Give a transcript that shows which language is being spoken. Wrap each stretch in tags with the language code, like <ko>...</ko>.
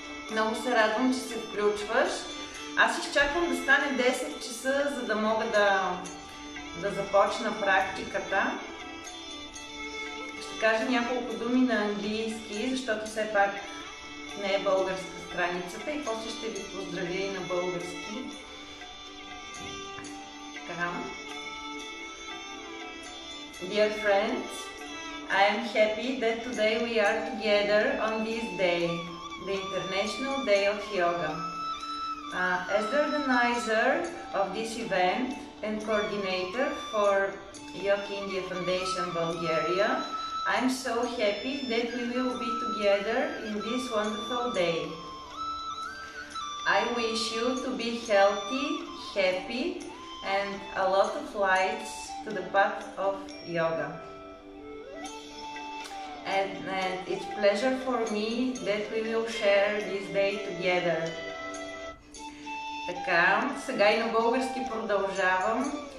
<bg>Много се радвам, че се включваш. Аз изчаквам да стане 10 часа, за да мога да започна практиката. Ще кажа няколко думи на английски, защото все пак не е българска страницата и после ще ви поздравя и на български.</bg> <en>Dear friends, I am happy that today we are together on this day, the International Day of Yoga. As the organizer of this event and coordinator for Yoga India Foundation Bulgaria, I am so happy that we will be together in this wonderful day. I wish you to be healthy, happy, and a lot of lights to the path of yoga. And it's a pleasure for me that we will share this day together.</en> <bg>Така, сега и на български продължавам.</bg>